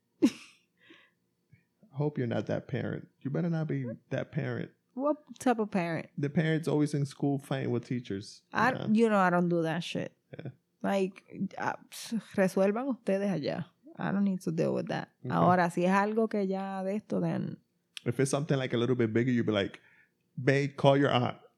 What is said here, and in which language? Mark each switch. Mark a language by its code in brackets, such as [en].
[en] I hope you're not that parent. You better not be that parent. What type of parent? The parents always in school fighting with teachers. I don't do that shit. Yeah. Like, [es] resuelvan ustedes allá. [en] I don't need to deal with that. Okay. [es] Ahora, si es algo que ya de esto, then. [en] If it's something like a little bit bigger, you'd be like, babe, call your aunt.